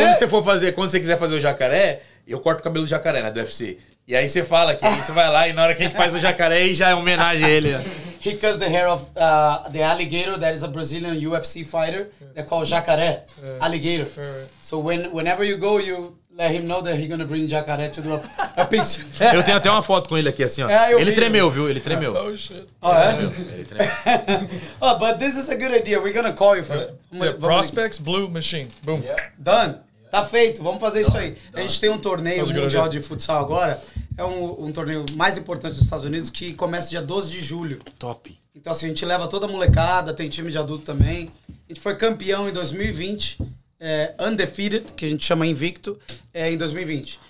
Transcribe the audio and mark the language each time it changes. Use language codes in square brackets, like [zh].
[pt] Quando você for fazer, quando você quiser fazer o jacaré, eu corto o cabelo do jacaré, né, do UFC. E aí você fala que aí você vai lá e na hora que a gente faz o jacaré, aí já é homenagem a ele. [en] He cuts the hair of the alligator that is a Brazilian UFC fighter. They call jacaré. Alligator. So whenever you go, you let him know that he's going to bring jacaré to do a picture. [pt] Eu tenho até uma foto com ele aqui, assim, ó. Ele tremeu, viu? Ele tremeu. [en] Oh, shit. [pt] Oh, é? Ele tremeu. [en] Oh, but this is a good idea. We're going to call you for it. Prospects Blue Machine. Boom. Yep. Done. [pt] Tá feito, vamos fazer isso aí. A gente tem um torneio mundial de futsal agora. É um torneio mais importante dos Estados Unidos que começa dia 12 de julho. Top. Então, assim, a gente leva toda a molecada, tem time de adulto também. A gente foi campeão em 2020, [en] undefeated, [pt] que a gente chama invicto, em 2020.